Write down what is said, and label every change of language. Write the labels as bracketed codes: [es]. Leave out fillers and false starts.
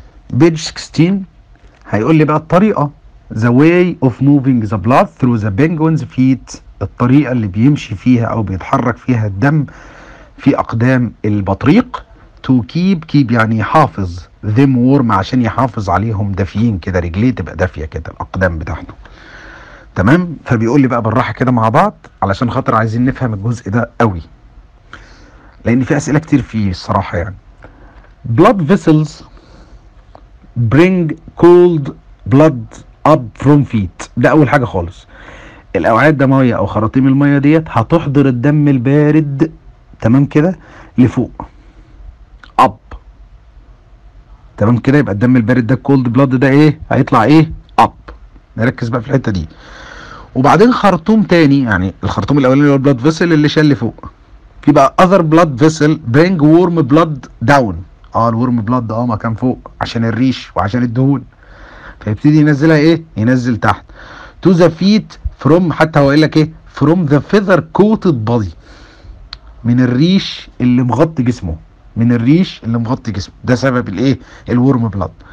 [ar] بيج 16 هيقول لي بقى الطريقة، [en] the way of moving the blood through the penguin's feet، [ar] الطريقة اللي بيمشي فيها او بيتحرك فيها الدم في اقدام البطريق، to keep، keep يعني يحافظ، [en] them warm [ar] عشان يحافظ عليهم دافيين كده، رجليه تبقى دافية كده الأقدام بتاعته. تمام. فبيقول لي بقى بالراحة كده مع بعض علشان خاطر عايزين نفهم الجزء ده قوي، لأن في أسئلة كتير فيه الصراحة. [en] يعني blood vessels bring cold blood up from feet، [ar] ده أول حاجة خالص. الأوعية الدموية أو خراطيم المية ديت هتحضر الدم البارد، تمام كده، لفوق up، تمام كده. يبقى الدم البارد ده [en] cold blood [ar] ده إيه؟ هيطلع إيه؟ up. نركز بقى في الحتة دي. وبعدين خرطوم تاني، يعني الخرطوم الأولاني هو blood vessel اللي شال لفوق. في بقى [en] other blood vessel bring warm blood down. [ar] الورم بلاد ده مكان فوق عشان الريش وعشان الدهون، فيبتدي ينزلها ايه؟ ينزل تحت to the feet from، حتى هو قال لك ايه؟ [en] from the feather coated body، [ar] من الريش اللي مغطي جسمه، من الريش اللي مغطي جسمه، ده سبب الايه؟ الورم بلاد.